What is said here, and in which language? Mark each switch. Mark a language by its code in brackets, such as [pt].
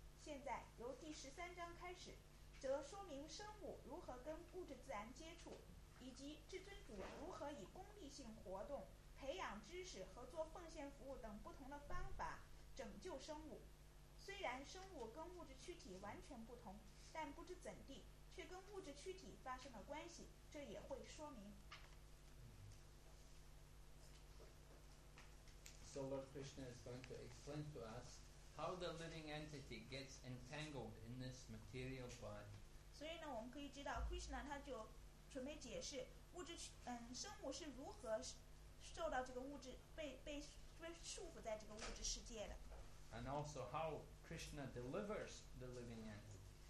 [zh] 现在由第十三章开始，则说明生物如何跟物质自然接触，以及至尊主如何以功利性活动、培养知识和做奉献服务等不同的方法拯救生物。虽然生物跟物质躯体完全不同，但不知怎地却跟物质躯体发生了关系，这也会说明。 [en] So Lord Krishna is going to explain to us how the living entity gets entangled in this material body. [zh] 所以呢，我们可以知道 Krishna 他就准备解释物质生物是如何受到这个物质被束缚在这个物质世界的。 [en] And also how Krishna delivers the living entity.